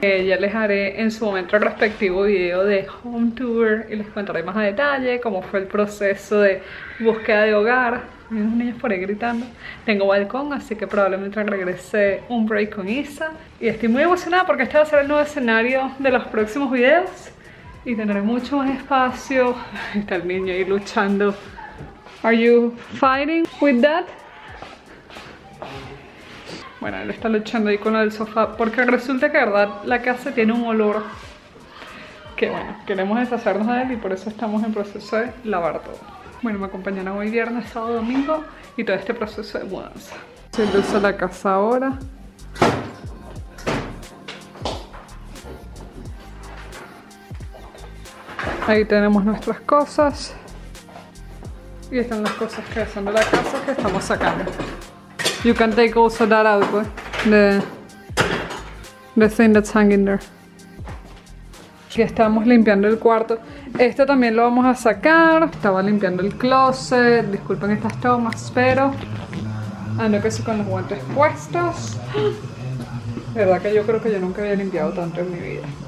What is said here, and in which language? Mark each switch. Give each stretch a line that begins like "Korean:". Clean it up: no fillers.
Spanish: Ya les haré en su momento el respectivo video de home tour y les contaré más a detalle cómo fue el proceso de búsqueda de hogar. Hay unos niños por ahí gritando. Tengo balcón, así que probablemente regrese un break con Isa. Y estoy muy emocionada porque este va a ser el nuevo escenario de los próximos videos. Y tendré mucho más espacio. Está el niño ahí luchando.
English: Are you fighting with that?
Spanish: Bueno, él está luchando ahí con lo del sofá. Porque resulta que, verdad, la casa tiene un olor que, bueno, queremos deshacernos de él. Y por eso estamos en proceso de lavar todo. Bueno, me acompañaron hoy viernes, sábado, domingo y todo este proceso de mudanza. Se luce la casa ahora. Ahí tenemos nuestras cosas. Y están las cosas que son de la casa que estamos sacando.
English: You can take also that out, boy. The thing that's hanging there.
Spanish: Aquí estamos limpiando el cuarto. Este también lo vamos a sacar. Estaba limpiando el closet. Disculpen estas tomas, pero ando casi con los guantes puestos. De verdad que yo creo que yo nunca había limpiado tanto en mi vida.